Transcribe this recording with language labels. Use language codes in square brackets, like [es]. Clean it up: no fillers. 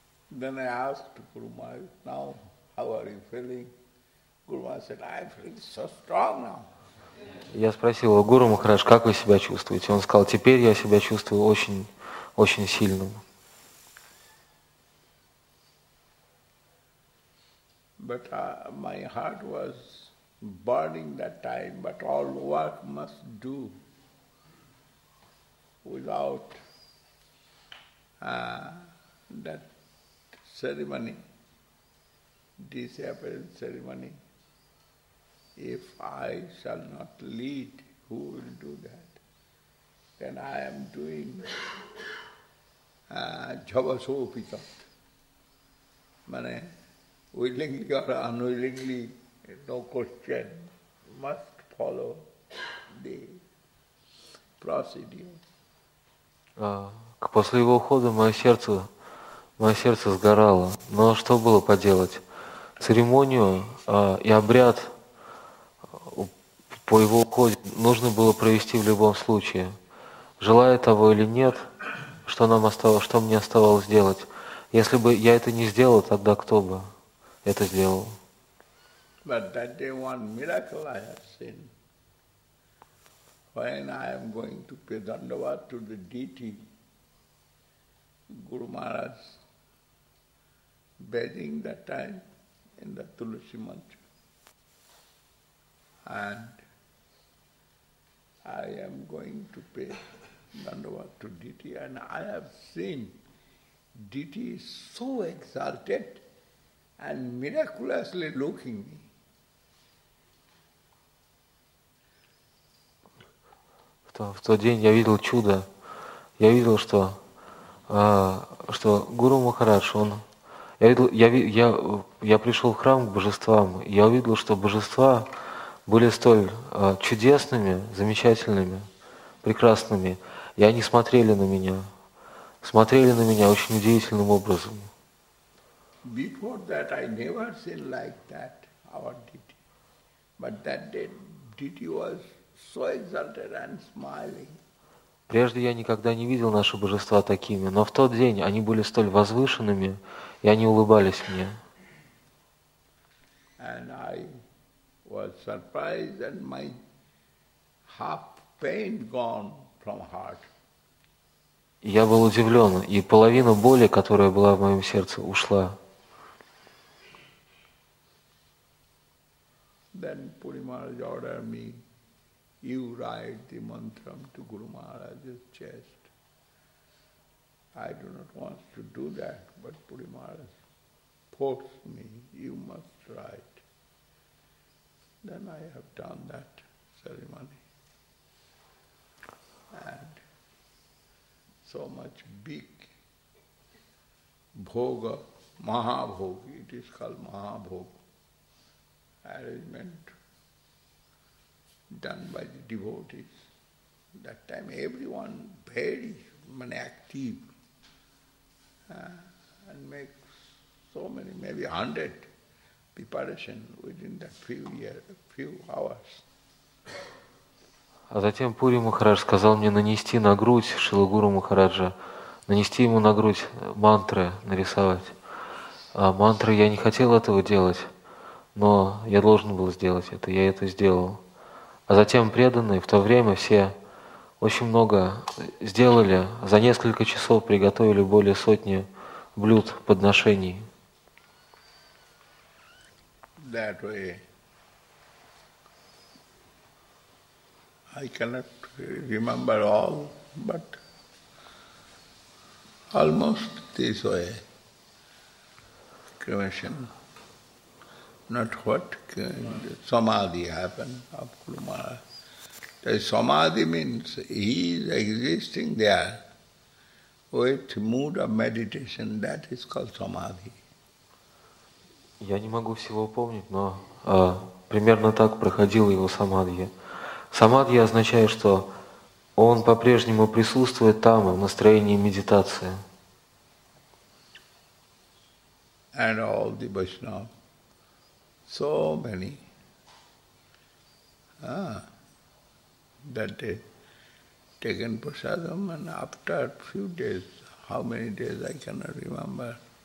[en] Then I asked Guru Maharaj, now how are you feeling? Guru Maharaj said, I feel so strong now. [ru] Я спросил его, Гуру Махарадж, как вы себя чувствуете? Он сказал, теперь я себя чувствую очень сильным. [en] But my heart was burning that time, but all work must do without that ceremony, disappearance ceremony. If I shall not lead, who will do that? Then I am doing Javasopitat. Mane, willingly or unwillingly, no question, must follow the procedure. [ru] После его ухода мое сердце сгорало. Но что было поделать? Церемонию и обряд по его уходе нужно было провести в любом случае. Желая того или нет, что мне оставалось делать? Если бы я это не сделал, тогда кто бы это сделал? [en] But that day one miracle I have seen. When I am going to pay dandava to the deity, Guru Maharaj bearing the time in the Tulasi Mantra. And I am going to pay Dandavat to Diti, and I have seen Diti so exalted and miraculously looking me. [ru] В тот день я видел чудо. Я видел, что, что Гуру Махарадж, он, я пришел в храм к божествам, и я увидел, что божества были столь чудесными, замечательными, прекрасными, и они смотрели на меня. Смотрели на меня очень удивительным образом. [en] Before that I never seen like that our deity. But that day deity was so exalted and smiling. [ru] Прежде я никогда не видел наши божества такими, но в тот день они были столь возвышенными, и они улыбались мне. [en] And I was surprised and my half pain gone from heart. [ru] Я был удивлен, и половина боли, которая была в моем сердце, ушла. [en] Then Puri Maharaj ordered me, you write the mantra to Guru Maharaj's chest. I do not want to do that, but Puri Maharaj forced me, you must write. Then I have done that ceremony. And so much big bhoga, mahabhog, it is called mahabhog, arrangement done by the devotees. That time everyone very active and make so many, maybe 100 preparation within that few hours. [ru] А затем Пури Махарадж сказал мне нанести на грудь Шрилу Гуру Махараджа, нанести ему на грудь мантры, нарисовать. А мантры я не хотел этого делать, но я должен был сделать это, я это сделал. А затем преданные в то время все очень много сделали, за несколько часов приготовили более сотни блюд подношений. [en] That way. I cannot remember all, but almost this way, cremation, not what, samadhi happened of Guru Maharaj. Samadhi means he is existing there with mood of meditation, that is called samadhi. [ru] Я не могу всего помнить, но примерно так проходил его самадхи. Самадхи означает, что он по-прежнему присутствует там, в настроении медитации. [en] And all the Vaishnava, so many, that day, taken prasadam, and after few days, how many days I cannot remember,